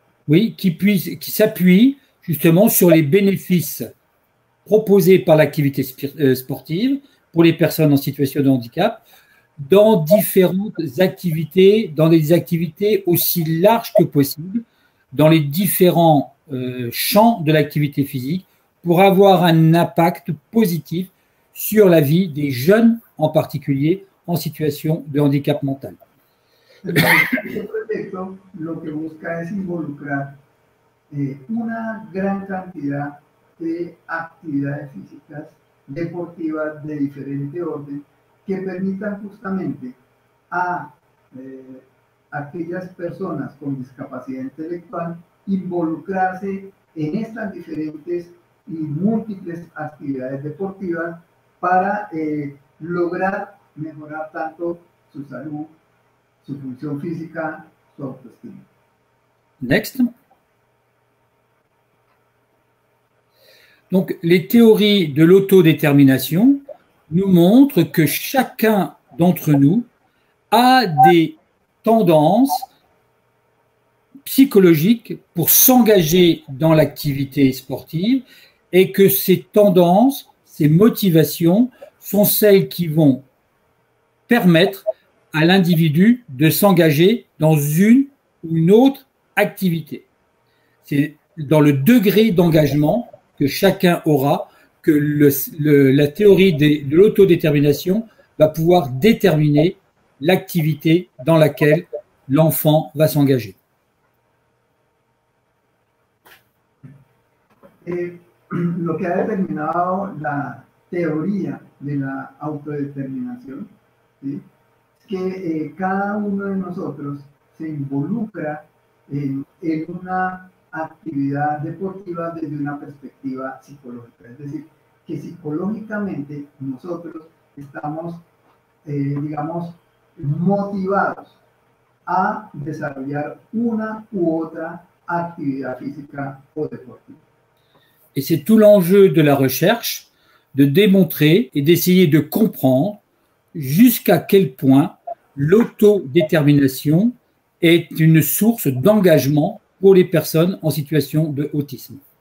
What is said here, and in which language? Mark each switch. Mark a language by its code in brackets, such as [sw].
[fr] Oui, qui s'appuie justement sur les bénéfices proposés par l'activité sportive pour les personnes en situation de handicap dans différentes activités, dans des activités aussi larges que possible, dans les différents champs de l'activité physique, pour avoir un impact positif sur la vie des jeunes en particulier en situation de handicap mental. [es] Este proyecto lo que busca es involucrar una gran cantidad de actividades físicas, deportivas de diferente orden, que permitan justamente a aquellas personas con discapacidad intelectual involucrarse en estas diferentes y múltiples actividades deportivas para lograr mejorar tanto su salud, su función física, su autoestima. [en] Next. [fr] Donc, les théories de l'autodétermination nous montrent que chacun d'entre nous a des tendances psychologiques pour s'engager dans l'activité sportive et que ces tendances, ces motivations sont celles qui vont permettre à l'individu de s'engager dans une ou une autre activité. C'est dans le degré d'engagement que chacun aura que la théorie de l'autodétermination va pouvoir déterminer l'activité dans laquelle l'enfant va s'engager. [es] Lo que ha determinado la teoría de la autodeterminación, ¿sí? Es que cada uno de nosotros se involucra en una actividad deportiva desde una perspectiva psicológica. Es decir, que psicológicamente nosotros estamos, digamos, motivados a desarrollar una u otra actividad física o deportiva. [fr] Et c'est tout l'enjeu de la recherche de démontrer et d'essayer de comprendre jusqu'à quel point l'autodétermination est une source d'engagement pour les personnes en situation de autisme.